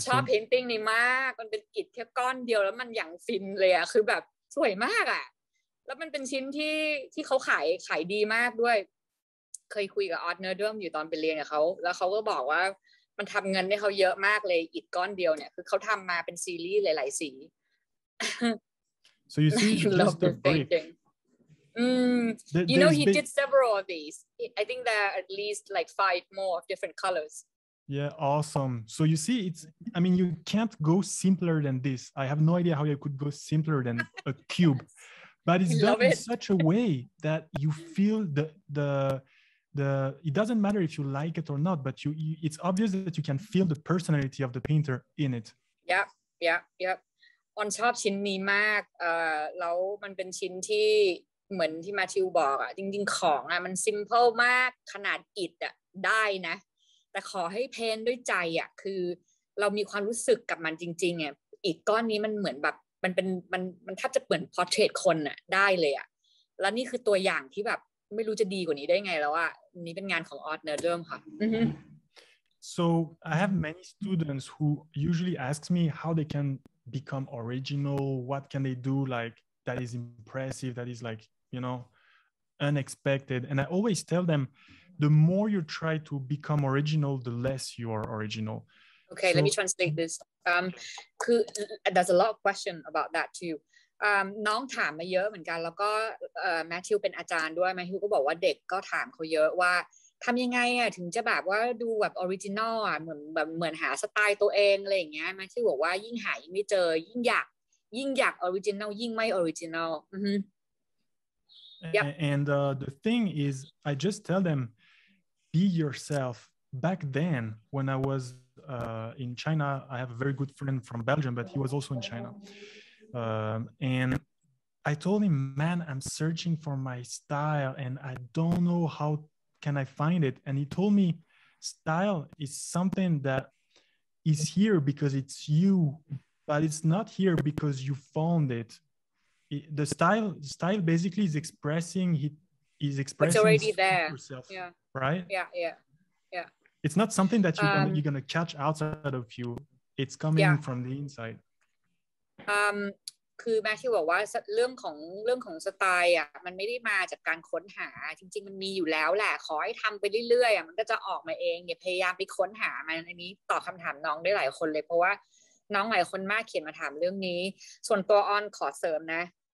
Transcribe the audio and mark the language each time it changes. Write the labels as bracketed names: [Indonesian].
[Thai] ชอบ painting นี่มากมันเป็นอิฐแค่ก้อนเดียวแล้วมันอย่างฟินเลยอ่ะคือแบบสวยมากอ่ะแล้วมันเป็นชิ้นที่เขาขายดีมากด้วยเคยคุยกับออดเนอร์ดรัมอยู่ตอนไปเรียนกับเขาแล้วเขาก็บอกว่ามันทำเงินให้เขาเยอะมากเลยอีกก้อนเดียวเนี่ยคือเขาทำมาเป็นซีรีส์หลายๆสี [English] So you see just the painting You know he did several of these I think there are at least like 5 more of different colors Yeah awesome So you see it's I mean you can't go simpler than this I have no idea how you could go simpler than a cube But it's done in such a way that you feel the it doesn't matter if you like it or not but you it's obvious that you can feel the personality of the painter in it [Thai] yeah ออนชอบชิ้นนี้มากแล้วมันเป็นชิ้นที่เหมือนที่มาทิวบอกอ่ะจริงๆของอ่ะมันซิมเพิลมากขนาดอิฐอ่ะได้นะแต่ขอให้เพ้นด้วยใจอ่ะคือเรามีความรู้สึกกับมันจริงๆอ่ะอิฐก้อนนี้มันเหมือนแบบมันเป็นมันแทบจะเหมือนพอร์เทรตคนน่ะได้เลยอ่ะแล้วนี่คือตัวอย่างที่แบบไม่รู้จะดีกว่านี้ได้ไงแล้วอ่ะนี่เป็นงานของออดเนอร์เดิมค่ะ [English] So I have many students who usually ask me how they can become original what can they do like that is impressive that is like you know unexpected and I always tell them the more you try to become original the less you are original Okay so, let me translate this there's a lot of question about that too [Thai] น้องถามมาเยอะเหมือนกันแล้วก็แมทธิวเป็นอาจารย์ด้วยแมทธิวก็บอกว่าเด็กก็ถามเขาเยอะว่าทำยังไงอ่ะถึงจะแบบว่าดูแบบออริจินอลอ่ะเหมือนหาสไตล์ตัวเองอะไรอย่างเงี้ยแมทธิวบอกว่ายิ่งหายิ่งไม่เจอยิ่งอยากออริจินอลยิ่งไม่ออริจินอล [English] And the thing is I just tell them be yourself back then when I was in China I have a very good friend from Belgium but he was also in ChinaAnd I told him, man, I'm searching for my style and I don't know how can I find it. And he told me style is something that is here because it's you, but it's not here because you found it. The style basically is expressing, it's already there. Yourself, yeah. Right. Yeah. It's not something that you're going to catch outside of you. It's coming from the inside. [Thai] คือแมทธิวบอกว่าเรื่องของสไตล์อ่ะมันไม่ได้มาจากการค้นหาจริงๆมันมีอยู่แล้วแหละขอให้ทำไปเรื่อยๆอ่ะมันก็จะออกมาเองอย่าพยายามไปค้นหามันอันนี้ตอบคำถามน้องได้หลายคนเลยเพราะว่าน้องหลายคนมากเขียนมาถามเรื่องนี้ส่วนตัวออนขอเสริมนะ